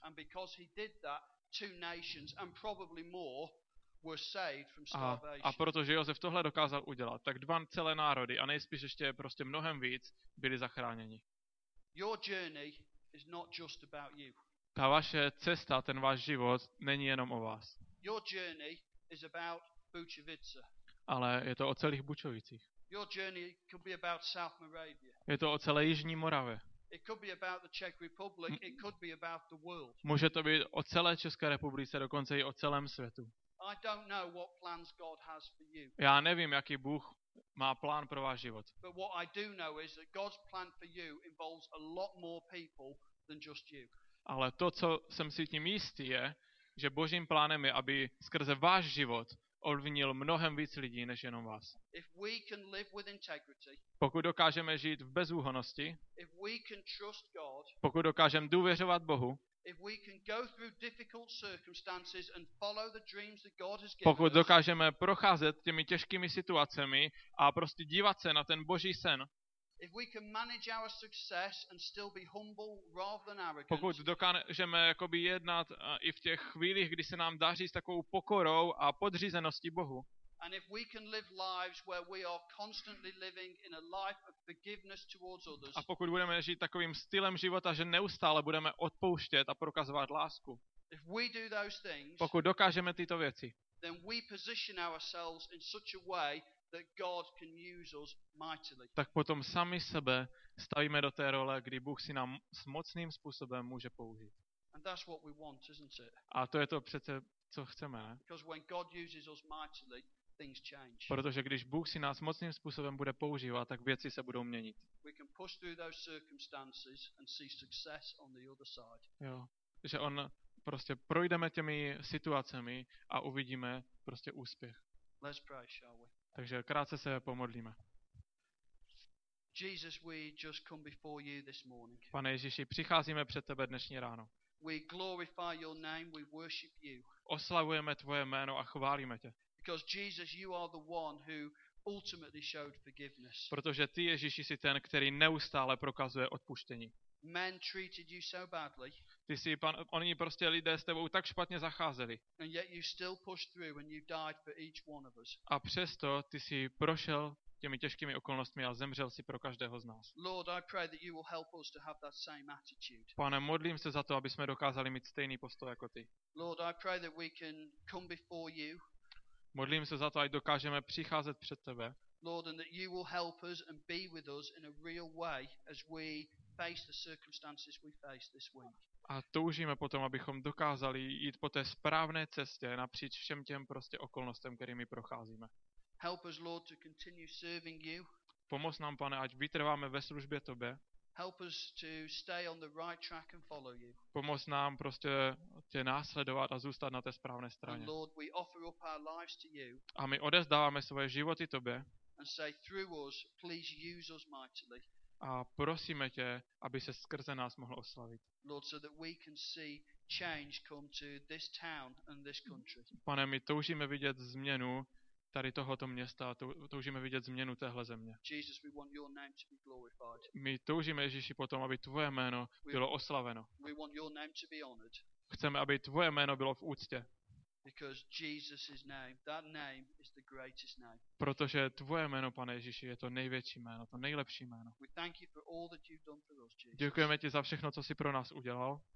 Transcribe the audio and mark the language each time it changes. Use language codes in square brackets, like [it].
[en] And because he did that, two nations and probably more were saved from starvation. [cs] A protože Josef tohle dokázal udělat, tak dva celé národy a nejspíš ještě prostě mnohem víc byli zachráněni. [en] Your journey is not just about you. [cs] Ta vaše cesta, ten váš život není jenom o vás. [en] Your journey is about Bučovice. [cs] Ale je to o celých Bučovicích. [en] Your journey could be about South Moravia. [cs] Je to o celé jižní Moravě. [en] It could be about the Czech Republic, it could be about the world. [cs] Může to být o celé České republice, dokonce i o celém světu. [en] I don't know what plans God has for you. [cs] Já nevím, jaký Bůh má plán pro váš život. [en] But what I do know is that God's plan for you involves a lot more people than just you. [cs] Ale to, co jsem si tím jistý, je, že Božím plánem je, aby skrze váš život ovlivnil mnohem víc lidí než jenom vás. [en] If we can live with integrity, [cs] pokud dokážeme žít v bezúhonnosti, [en] if we can trust God, [cs] pokud dokážeme důvěřovat Bohu, [en] if we can go through difficult circumstances and follow the dreams that God has given, [cs] pokud dokážeme procházet těmi těžkými situacemi a prostě dívat se na ten Boží sen, [en] if we can manage our success and still be humble rather than arrogant, [cs] pokud dokážeme jakoby jednat i v těch chvílích, kdy se nám daří s takovou pokorou a podřízeností Bohu, [en] and if we can live lives where we are constantly living in a life of forgiveness towards others, [cs] a pokud budeme žít takovým stylem života, že neustále budeme odpouštět a prokazovat lásku, [en] if we do those things, [cs] pokud dokážeme tyto věci, [en] then we position ourselves in such a way that God can use us mightily. [cs] Tak potom sami sebe stavíme do té role, kdy Bůh si nám mocným způsobem může použít. [en] And that's what we want, isn't it? [cs] A to je to přece, co chceme, ne? [en] Because when God uses us mightily, things change. [cs] Protože když Bůh si nás mocným způsobem bude používat, tak věci se budou měnit. [en] We can push through those circumstances and see success on the other side. [cs] Jo, že on prostě projdeme těmi situacemi a uvidíme prostě úspěch. [en] Let's pray, shall we? [cs] Takže krátce se pomodlíme. [en] Jesus, we just come before you this morning. [cs] Pane Ježíši, přicházíme před tebe dnešní ráno. [en] We glorify your name, we worship you. [cs] Oslavujeme tvoje jméno a chválíme tě. [en] Because Jesus, you are the one who ultimately showed forgiveness. [cs] Protože ty Ježíši jsi ten, který neustále prokazuje odpuštění. [en] Men treated you so badly. [cs] Ty jsi, pan, oni prostě lidé s tebou tak špatně zacházeli. [en] And yet you still pushed through and you died for each one of us. [cs] A přesto ty jsi prošel těmi těžkými okolnostmi a zemřel jsi pro každého z nás. [en] Lord, I pray that you will help us to have that same attitude. [cs] Pane, modlím se za to, aby jsme dokázali mít stejný postoj jako ty. [en] Lord, I pray that we can come before you. [cs] Modlím se za to, ať dokážeme přicházet před tebe. [en] Lord, and that you will help us and be with us in a real way as we face the circumstances we face this week. [cs] A toužíme potom, abychom dokázali jít po té správné cestě napříč všem těm prostě okolnostem, kterými procházíme. [en] Help us, Lord, to continue serving you. [cs] Pomoz nám, Pane, ať vytrváme ve službě tobě. [en] Help us to stay on the right track and follow you. [cs] Pomoz nám prostě tě následovat a zůstat na té správné straně. [en] And Lord, we offer up our lives to you. [cs] A my odevzdáváme svoje životy tobě. [en] And say through us, please use us mightily. [cs] A prosíme tě, aby se skrze nás mohl oslavit. [en] Lord, so that we can see change come to this town and this country. [cs] Pane, my toužíme vidět změnu tady tohoto města, toužíme vidět změnu téhle země. [en] Jesus, we want your name to be glorified. [cs] My toužíme, Ježíši, potom, aby tvoje jméno bylo oslaveno. [en] We want your name to be honored. [cs] Chceme, aby tvoje jméno bylo v úctě. [en] Because Jesus' name, that name is the greatest name. [cs] Protože tvoje jméno, Pane Ježíši, je to největší jméno, to nejlepší jméno. [en] We thank you for all that you've done for us, Jesus. [cs] Děkujeme ti za všechno, co jsi pro nás udělal.